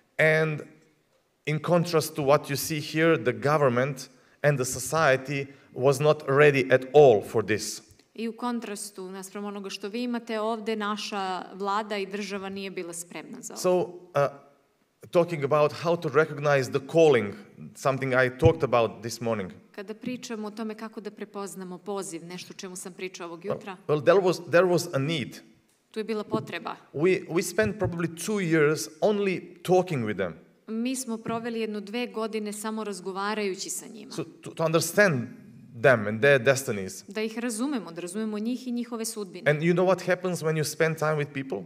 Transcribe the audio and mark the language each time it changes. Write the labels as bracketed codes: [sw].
[en] And in contrast to what you see here, the government and the society was not ready at all for this. [sr] I u kontrastu, naspram onoga što vi imate ovde, naša vlada i država nije bila spremna za ovo. [en] So, talking about how to recognize the calling, something I talked about this morning. [sr] Kada pričamo o tome kako da prepoznamo poziv, nešto čemu sam pričao ovog jutra. [en] Well, there was a need. [sr] Tu je bila potreba. [en] We spent probably 2 years only talking with them. [sr] Mi smo proveli jedno dve godine samo razgovarajući sa njima. [en] So to understand them and their destinies. [sr] Da ih razumemo, da razumemo njih i njihove sudbine. [en] And you know what happens when you spend time with people?